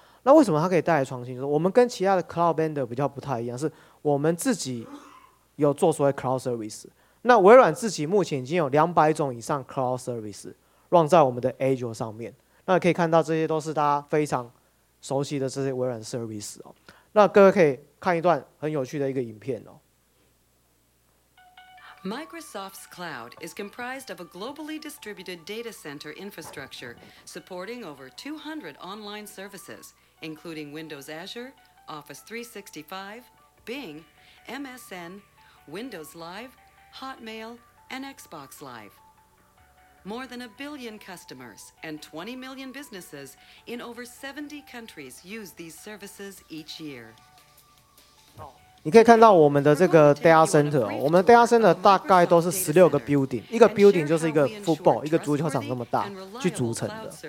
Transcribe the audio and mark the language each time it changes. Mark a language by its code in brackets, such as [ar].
[zh] 那为什么它可以带来创新？就是我们跟其他的 cloud vendor 比较不太一样，是我们自己有做所谓 cloud service。那微软自己目前已经有200种以上 cloud service run 在我们的 Azure 上面。那可以看到，这些都是大家非常熟悉的这些微软 service 哦。那各位可以看一段很有趣的一个影片哦。 [en] Microsoft's cloud is comprised of a globally distributed data center infrastructure supporting over 200 online services, including Windows Azure, Office 365, Bing, MSN, Windows Live, Hotmail, and Xbox Live. More than a billion customers and 20 million businesses in over 70 countries use these services each year. [zh] 你可以看到我们的这个 data center、哦、我们的 data center 大概都是16个 building， 一个 building 就是一个 football， 一个足球场那么大去组成的。